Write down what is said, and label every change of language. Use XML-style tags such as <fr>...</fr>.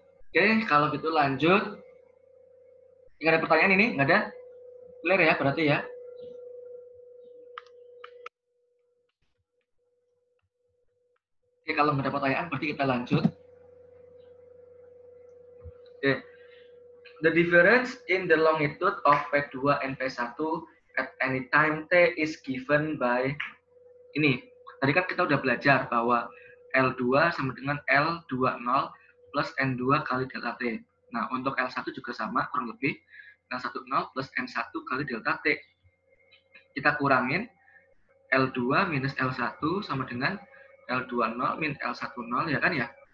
<id>Oke, kalau gitu lanjut. Nggak ada pertanyaan ini? Nggak ada? Clear ya berarti ya. Oke, kalau nggak ada pertanyaan berarti kita lanjut. Oke.</id> <en>The difference in the longitude of P2 and P1 at any time t is given by</en> <id>ini. Tadi kan kita udah belajar bahwa L2 sama dengan L20 plus N2 kali delta t. Nah, untuk L1 juga sama, kurang lebih. L10 plus N1 kali delta t. Kita kurangin L2 minus L1 sama dengan L20 min L10, ya kan ya?</id>